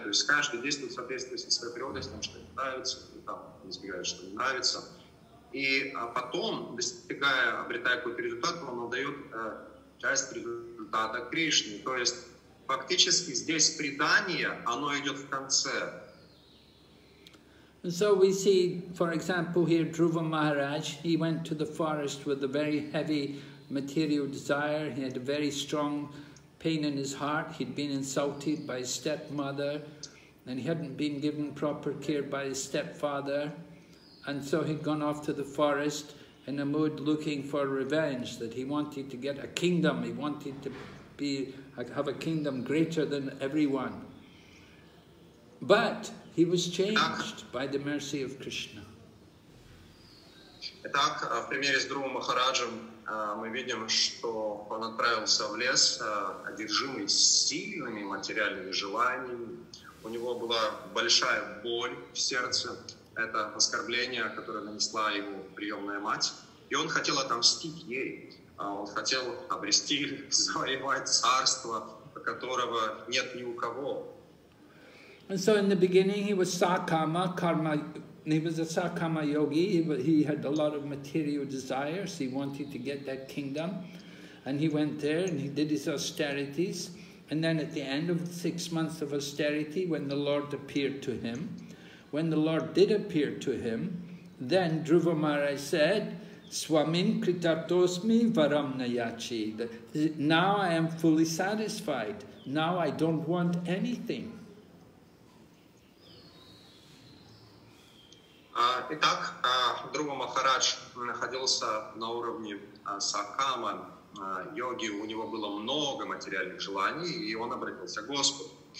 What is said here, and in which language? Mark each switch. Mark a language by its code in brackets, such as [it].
[ru] То есть каждый действует в соответствии со своей природой, с тем, что ему нравится, и там избегает, что не нравится. И потом, достигая, обретая какой-то результат, он отдает часть результата Кришне. То есть фактически здесь предание, оно идет в конце. [en] And so we see, for example, here Dhruva Maharaj, he went to the forest with a very heavy material desire. He had a very strong pain in his heart. He'd been insulted by his stepmother, and he hadn't been given proper care by his stepfather. And so he'd gone off to the forest in a mood looking for revenge, that he wanted to get a kingdom. He wanted to have a kingdom greater than everyone. But he was changed by the mercy of Krishna. [ru] Итак, в примере с Друвой Махараджем мы видим, что он отправился в лес, одержимый сильными материальными желаниями. У него была большая боль в сердце. Это оскорбление, которое нанесла ему приемная мать. И он хотел отомстить ей. Он хотел обрести, завоевать царство, которого нет ни у кого. [en] And so in the beginning he was Sakama, Karma, he was a Sakama yogi, he had a lot of material desires, he wanted to get that kingdom, and he went there and he did his austerities, and then at the end of 6 months of austerity, when the Lord appeared to him, when the Lord did appear to him, then Dhruva Maharaj said, [sa] Swamin kritartosmi varam nayachi, [en] now I am fully satisfied, now I don't want anything. [ru] Итак, Друва Махарадж находился на уровне Сакама йоги, у него было много материальных желаний, и он обратился к Господу.